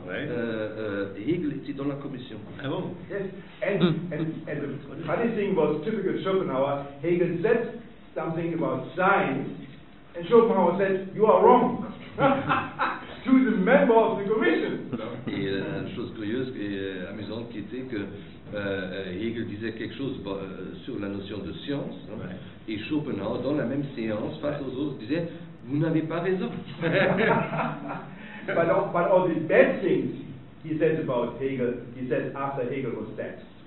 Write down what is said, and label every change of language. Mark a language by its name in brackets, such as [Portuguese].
[English] Right. [French] Hegel était dans la commission. Ah bon? [English] Yes. And the funny thing was, typical Schopenhauer, Hegel said something about science, and Schopenhauer said, "You are wrong." to the member of the commission. [French] Et une chose curieuse et amusante qui était que Hegel disait quelque chose sur la notion de science, hein, ouais. Et Schopenhauer, dans la même séance, face aux autres, disait « Vous n'avez pas raison. [English] » But all these bad things he said about Hegel, he said after Hegel was dead.